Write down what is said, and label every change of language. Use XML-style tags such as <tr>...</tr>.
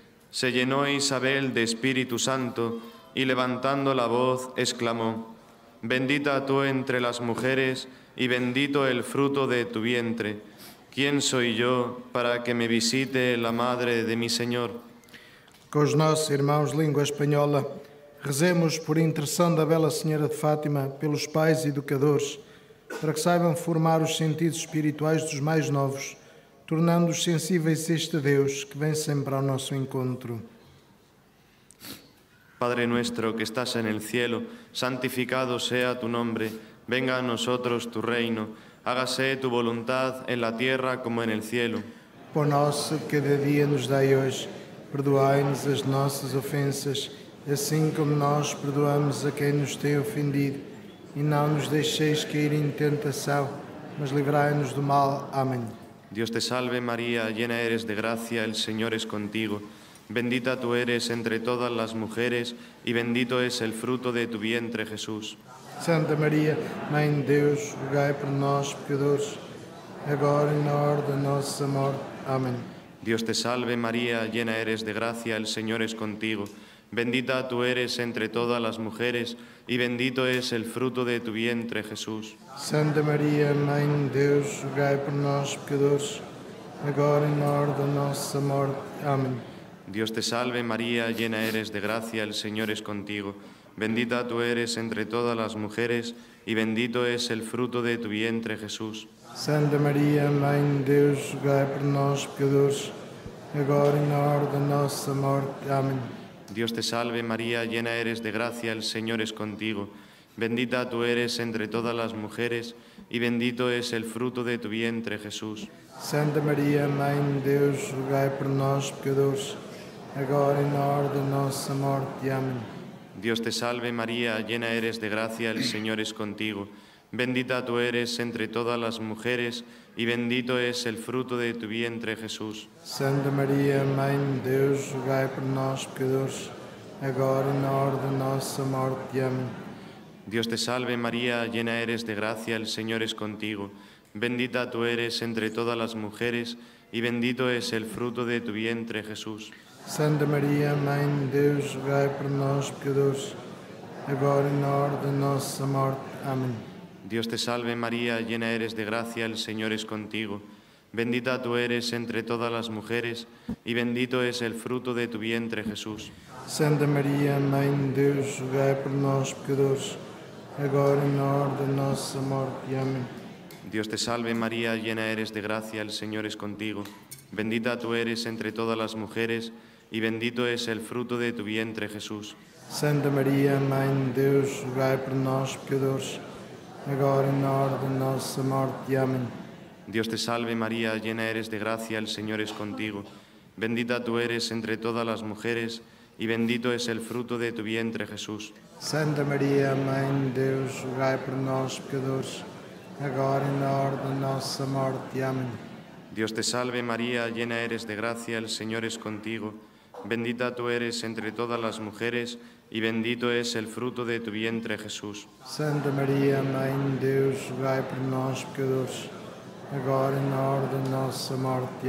<es>Se llenó Isabel de Espíritu Santo y levantando la voz exclamó: «Bendita tú entre las mujeres y bendito el fruto de tu vientre. ¿Quién soy yo para que me visite la madre de mi Señor?».</es> <pt>Con nossos irmãos de língua espanhola, rezemos por intercessão da Bela Senhora de Fátima pelos pais educadores, para que saibam formar os sentidos espirituais dos mais novos, tornando-os sensíveis a este Deus que vem sempre ao nosso encontro.</pt> <es>Padre nuestro que estás en el cielo, santificado sea tu nombre, venga a nosotros tu reino, hágase tu voluntad en la tierra como en el cielo.</es> <pt>Pão nosso de cada dia nos dai hoje, perdoai-nos as nossas ofensas, assim como nós perdoamos a quem nos tem ofendido. E não nos deixeis cair em tentação, mas livrai-nos do mal. Amém. Deus te salve, Maria,</pt> <es>llena eres de gracia, el Señor es contigo. Bendita tú eres entre todas las mujeres y bendito es el fruto de tu vientre, Jesús.</es> <pt>Santa María, Mãe de Deus, rogai por nós, pecadores, agora e na hora da nossa morte. Amém.</pt> <es>Dios te salve, María, llena eres de gracia, el Señor es contigo. Bendita tú eres entre todas las mujeres y bendito es el fruto de tu vientre, Jesús.</es> <pt>Santa María, Mãe de Deus, rogai por nós, pecadores, agora e na hora da nossa morte. Amém.</pt> <es>Dios te salve, María, llena eres de gracia, el Señor es contigo. Bendita tú eres entre todas las mujeres y bendito es el fruto de tu vientre, Jesús.</es> <pt>Santa María, Mãe de Deus, rogai por nós, pecadores, agora e na hora da nossa morte. Amém.</pt> <es>Dios te salve, María, llena eres de gracia, el Señor es contigo. Bendita tú eres entre todas las mujeres y bendito es el fruto de tu vientre, Jesús.</es> <pt>Santa María, Mãe de Deus, rogai por nós, pecadores, agora e na hora da nossa morte. Amém.</pt> <es>Dios te salve, María, llena eres de gracia, el Señor es contigo. Bendita tú eres entre todas las mujeres y bendito es el fruto de tu vientre, Jesús.</es> <pt>Santa María, Mãe de Deus, rogai por nós, pecadores, agora e na hora da nossa morte. Amém.</pt> <es>Dios te salve, María, llena eres de gracia, el Señor es contigo. Bendita tú eres entre todas las mujeres y bendito es el fruto de tu vientre, Jesús.</es> <pt>Santa María, Mãe de Deus, rogai por nós, pecadores, agora e na hora da nossa morte. Amém.</pt> <es>Dios te salve, María, llena eres de gracia, el Señor es contigo. Bendita tú eres entre todas las mujeres y bendito es el fruto de tu vientre, Jesús.</es> <pt>Santa María, Mãe de Deus, rogai por nós, pecadores, agora e na hora da nossa morte. Amém.</pt> <es>Dios te salve, María, llena eres de gracia, el Señor es contigo. Bendita tú eres entre todas las mujeres y bendito es el fruto de tu vientre, Jesús.</es> <pt>Santa María, Mãe de Deus, rogai por nós, pecadores, agora e na hora da nossa morte. Amém.</pt> <es>Dios te salve, María, llena eres de gracia, el Señor es contigo. Bendita tú eres entre todas las mujeres y bendito es el fruto de tu vientre, Jesús.</es> <pt>Santa María, Mãe de Deus, rogai por nós, pecadores, agora e na hora da nossa morte. Amém.</pt> <es>Dios te salve, María, llena eres de gracia, el Señor es contigo. Bendita tú eres entre todas las mujeres y bendito es el fruto de tu vientre, Jesús.</es> <pt>Santa María, Mãe de Deus, rogai por nós, pecadores, agora e na hora da nossa morte.</pt>